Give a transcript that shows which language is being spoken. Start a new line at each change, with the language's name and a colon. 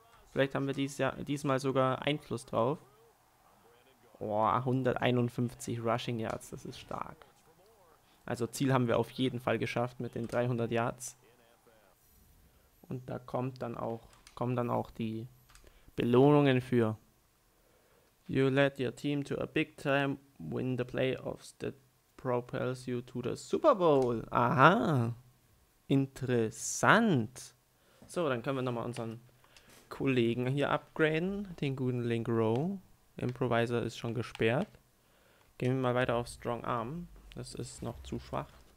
German: Vielleicht haben wir diesmal sogar Einfluss drauf. Boah, 151 Rushing Yards, das ist stark. Also Ziel haben wir auf jeden Fall geschafft mit den 300 Yards. Und da kommen dann auch die Belohnungen für.
English: You led your team to a big time win the playoffs that propels you to the Super Bowl.
German: Aha, interessant. So, dann können wir nochmal unseren Kollegen hier upgraden, den guten Link Rowe. Improviser ist schon gesperrt. Gehen wir mal weiter auf Strong Arm. Das ist noch zu schwach.